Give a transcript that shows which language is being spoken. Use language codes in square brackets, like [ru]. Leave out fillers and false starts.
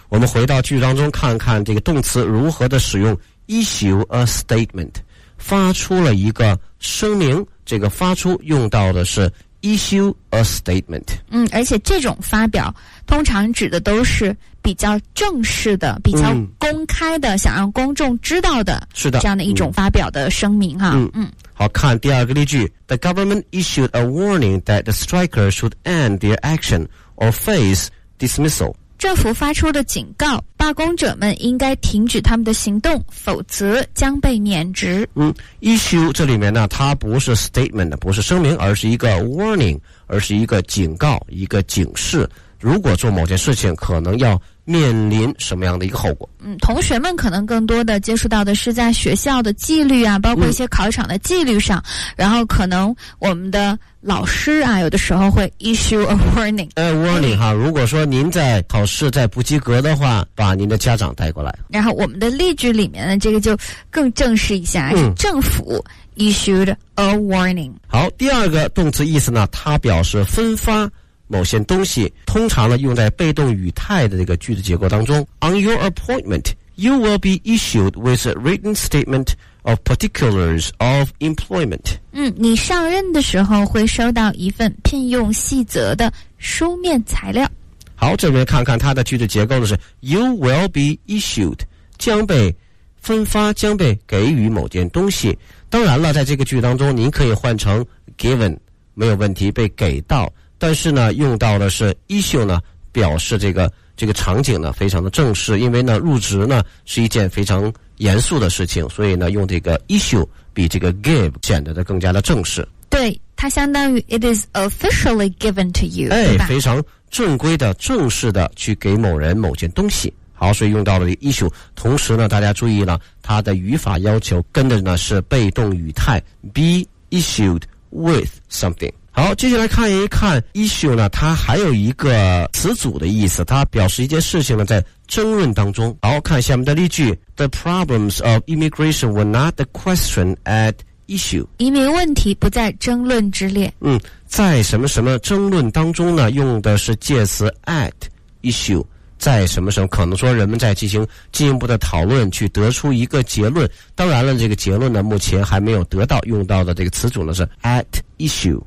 [zh] 我们回到句当中看看这个动词如何的使用 [en] issue a statement， [zh] 发出了一个声明，这个发出用到的是 issue a statement。而且这种发表通常指的都是比较正式的，比较公开的，想让公众知道的，是的，这样的一种发表的声明哈。好，看第二个例句， [en] The government issued a warning that the strikers should end their action or face dismissal. [zh] 政府发出的警告，罢工者们应该停止他们的行动，否则将被免职。 Issue 这里面呢，它不是 statement， 不是声明，而是一个 warning， 而是一个警告，一个警示。如果做某件事情，可能要面临什么样的一个后果。同学们可能更多的接触到的是在学校的纪律啊，包括一些考场的纪律上，然后可能我们的老师啊，有的时候会 [en] issue a warning。 [zh] Warning 哈，如果说您在考试在不及格的话，把您的家长带过来。然后我们的例句里面呢，这个就更正式一下，是政府 [en] issued a warning。 [zh] 好，第二个动词意思呢，它表示分发某些东西，通常呢用在被动语态的这个句子结构当中。 [en] On your appointment, you will be issued with a written statement of particulars of employment. [zh] 你上任的时候会收到一份聘用细则的书面材料。好，这边看看它的句子结构呢，是 [en] You will be issued， [zh] 将被分发，将被给予某件东西。当然了，在这个句当中，您可以换成 given， 没有问题，被给到。但是呢，用到的是 issue 呢，表示这个场景呢非常的正式，因为呢入职呢是一件非常严肃的事情，所以呢用这个 issue 比这个 give 显得的更加的正式。对，它相当于 [en] it is officially given to you， [zh] 哎，非常正规的、正式的去给某人某件东西。好，所以用到了 issue， 同时呢大家注意呢，它的语法要求跟的呢是被动语态 [en] be issued with something。 [zh] 好，接下来看一看 issue 呢，它还有一个词组的意思，它表示一件事情呢在争论当中。好，看下面的例句， [en] The problems of immigration were not the question at issue， [zh] 移民问题不在争论之列。在什么什么争论当中呢，用的是介词 [en] at issue， [zh] 在什么什么，可能说人们在进行进一步的讨论，去得出一个结论，当然了这个结论呢目前还没有得到，用到的这个词组呢是 at issue。